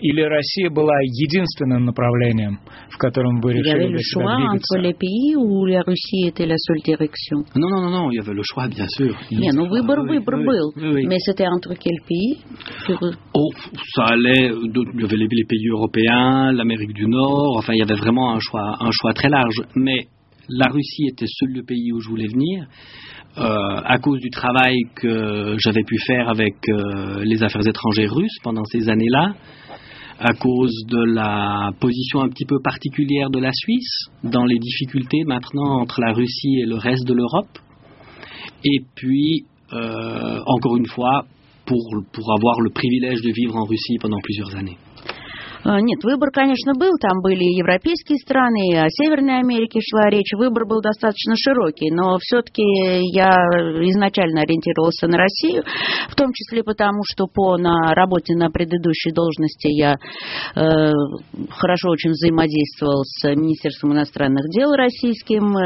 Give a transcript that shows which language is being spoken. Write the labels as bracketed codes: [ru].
[ru] Или Россия была единственным направлением, в котором вы решили для себя двигаться? [fr] Entre les pays ou la Russie était la seule direction? Non, non, non, non, il y avait le choix, bien sûr. [ru] Не, ну выбор, выбор был. [fr] Mais c'était entre quel pays? Oh, ça allait, il y avait les pays européens, l'Amérique du Nord, enfin, il y avait vraiment un choix très large. Mais la Russie était seul le pays où je voulais venir. À cause du travail que j'avais pu faire avec les affaires étrangères russes pendant ces années-là, à cause de la position un petit peu particulière de la Suisse dans les difficultés maintenant entre la Russie et le reste de l'Europe, et puis, encore une fois, pour avoir le privilège de vivre en Russie pendant plusieurs années. [ru] Нет, выбор, конечно, был. Там были и европейские страны, и о Северной Америке шла речь. Выбор был достаточно широкий. Но все-таки я изначально ориентировался на Россию. В том числе потому, что на работе на предыдущей должности я хорошо очень взаимодействовал с Министерством иностранных дел российским.